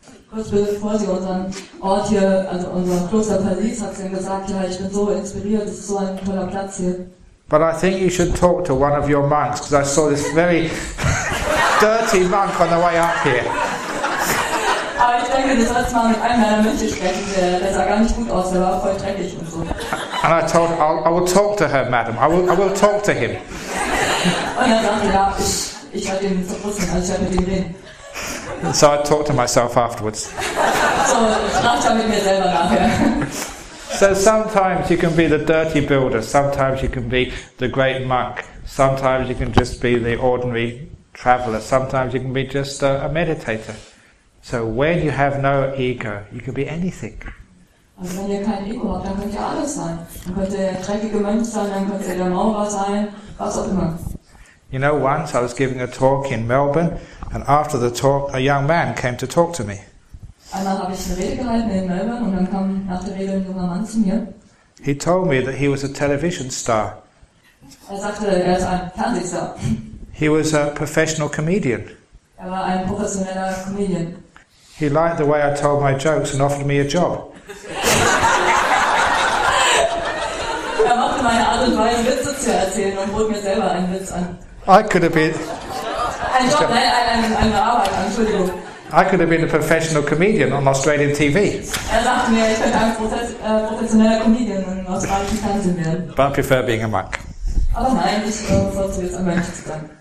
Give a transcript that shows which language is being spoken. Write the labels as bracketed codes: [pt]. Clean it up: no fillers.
[de] Kurz bevor sie unseren Ort hier, also unser Kloster verließ, hat sie gesagt, ja, ich bin so inspiriert, es ist so ein toller Platz hier. [en] But I think you should talk to one of your monks, because I saw this very dirty monk on the way up here. [de] Aber ich denke, du sollst mal mit einem meiner Mönche sprechen, der sah gar nicht gut aus, der war voll dreckig und so. [en] And I told her, I will talk to her, madam. I will talk to him. [de] Und er sagte, ja, ich werde ihn verpassen, also ich werde mit ihm reden. [en] So I talked to myself afterwards. So So sometimes you can be the dirty builder, sometimes you can be the great monk, sometimes you can just be the ordinary traveller, sometimes you can be just a meditator. So when you have no ego, you can be anything. [de] Also wenn ihr kein Ego habt, dann könnt ihr alles sein. Dann könnt ihr dreckige Mönch sein, dann könnt ihr der Maurer sein, was auch immer. [en] You know, once I was giving a talk in Melbourne, and after the talk, a young man came to talk to me. [de] Einmal habe ich eine Rede gehalten in Melbourne und dann kam nach der Rede ein junger Mann zu mir. [en] He told me that he was a television star. [de] Er sagte, er ist ein Fernsehstar. [en] He was a professional comedian. [de] Er war ein professioneller Comedian. [en] He liked the way I told my jokes and offered me a job. [de] Er machte meine Art und Weise, Witze zu erzählen und bot mir selber einen Witz an. [en] I could have been... [de] Ein Job, nein, eine Arbeit, Entschuldigung. [en] I could have been a professional comedian on Australian TV. [de] Er dachte mir, ich könnte ein professioneller Comedian in australischen Fernsehen werden. [en] But I prefer being a monk. [de] Aber nein, ich bevorzuge jetzt ein Mönch zu sein.